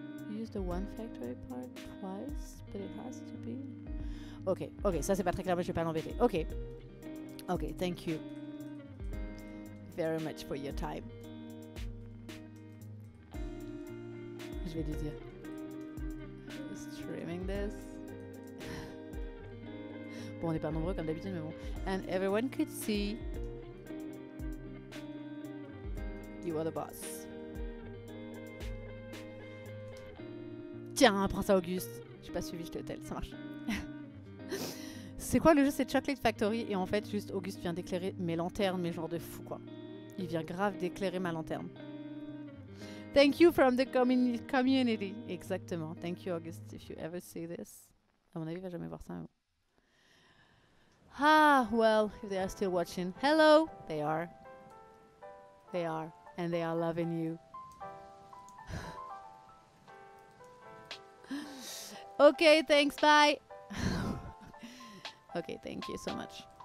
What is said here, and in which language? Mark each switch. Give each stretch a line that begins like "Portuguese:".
English: Use the one factory part twice, but it has to be.
French: Ok, ça c'est pas très clair, mais je vais pas l'embêter.
English: Ok, thank you very much for your time.
French: Je vais lui dire.
English: Streaming this.
French: Bon, on est pas nombreux comme d'habitude, mais bon.
English: And everyone could see. You are the boss.
French: Tiens, prends ça, Auguste. J'ai pas suivi, j'étais au tel, ça marche. C'est quoi le jeu? C'est
English: Chocolate Factory.
French: Et en fait, juste Auguste vient d'éclairer mes lanternes, mais genre de fou, quoi. Il vient grave d'éclairer ma lanterne.
English: Thank you from the community.
French: Exactement.
English: Thank you, Auguste, if you ever see this.
French: À mon avis, il va jamais voir ça.
English: Ah, well, if they are still watching. Hello! They are. They are. And they are loving you. Okay, thanks, bye. Okay, thank you so much.